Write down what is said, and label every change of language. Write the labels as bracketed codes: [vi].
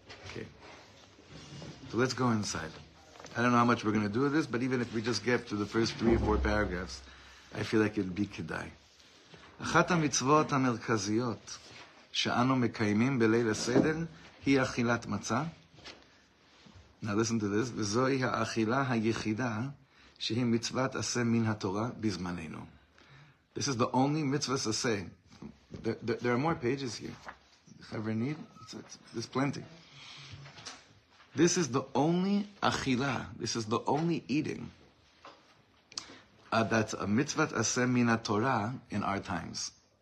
[en] Okay. So let's go inside. I don't know how much we're going to do with this, but even if we just get to the first three or four paragraphs, I feel like it'll be kedai. [he] אחת המצוות המרכזיות שאנו מקיימים בליל הסדר היא אכילת מצה. [en] Now listen to this. [he] וזוהי האכילה היחידה שהיא מצוות עשה מן התורה בזמננו. [en] This is the only mitzvah to say. There are more pages here. Have we need? There's plenty. This is the only achila. This is the only eating. That's a mitzvah aseh min haTorah in our times.